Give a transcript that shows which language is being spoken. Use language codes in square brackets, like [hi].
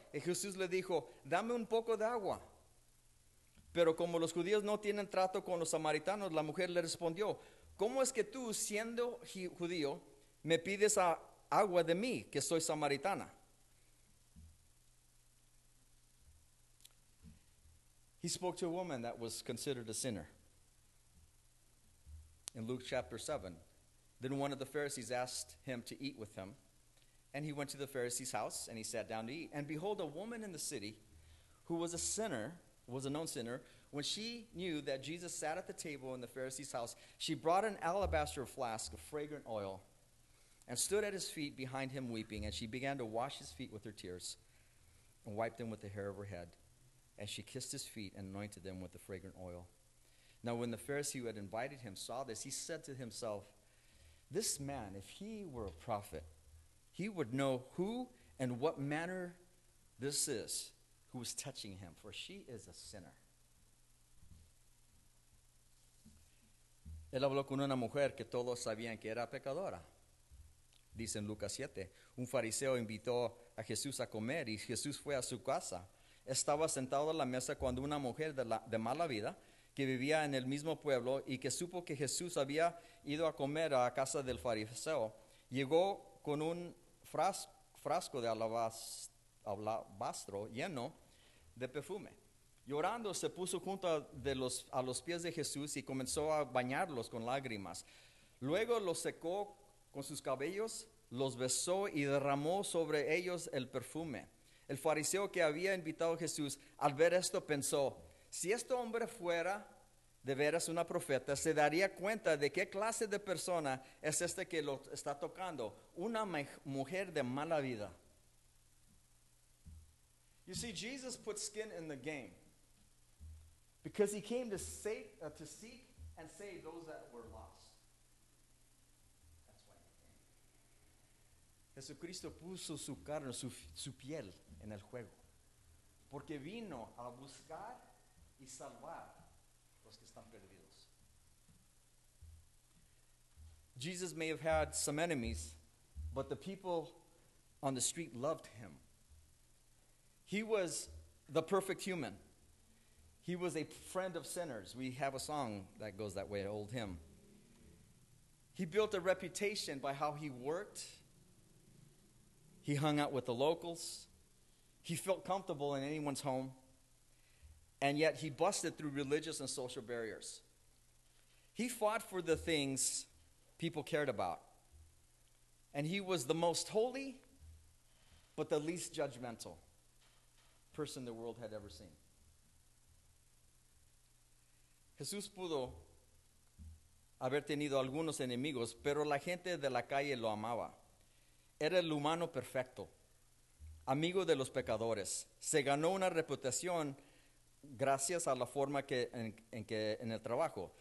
[es] Y Jesús le dijo, dame un poco de agua. Pero como los judíos no tienen trato con los samaritanos, la mujer le respondió, ¿cómo es que tú, siendo judío, me pides agua de mí, que soy samaritana? [en] He spoke to a woman that was considered a sinner. In Luke chapter 7, then one of the Pharisees asked him to eat with him. And he went to the Pharisee's house and he sat down to eat. And behold, a woman in the city who was a sinner, was a known sinner, when she knew that Jesus sat at the table in the Pharisee's house, she brought an alabaster flask of fragrant oil and stood at his feet behind him weeping. And she began to wash his feet with her tears and wiped them with the hair of her head. And she kissed his feet and anointed them with the fragrant oil. Now when the Pharisee who had invited him saw this, he said to himself, this man, if he were a prophet, he would know who and what manner this is who was touching him, for she is a sinner. [es] Él habló con una mujer que todos sabían que era pecadora. Dice en Lucas 7, un fariseo invitó a Jesús a comer y Jesús fue a su casa. Estaba sentado a la mesa cuando una mujer de mala vida que vivía en el mismo pueblo y que supo que Jesús había ido a comer a casa del fariseo, llegó con un frasco de alabastro lleno de perfume. Llorando, se puso junto a los pies de Jesús y comenzó a bañarlos con lágrimas. Luego los secó con sus cabellos, los besó y derramó sobre ellos el perfume. El fariseo que había invitado a Jesús, al ver esto, pensó, si este hombre fuera de veras una profeta, se daría cuenta de qué clase de persona es este que lo está tocando, una mujer de mala vida. [en] You see, Jesus put skin in the game because he came to seek and save those that were lost. [es] Jesucristo puso su carne, su piel en el juego, porque vino a buscar y salvar los que están perdidos. [en] Jesus may have had some enemies, but the people on the street loved him. He was the perfect human. He was a friend of sinners. We have a song that goes that way, an old hymn. He built a reputation by how he worked. He hung out with the locals. He felt comfortable in anyone's home. And yet he busted through religious and social barriers. He fought for the things people cared about. And he was the most holy, but the least judgmental person the world had ever seen. [es] Jesús pudo haber tenido algunos enemigos, pero la gente de la calle lo amaba. Era el humano perfecto, amigo de los pecadores. Se ganó una reputación gracias a la forma en el trabajo.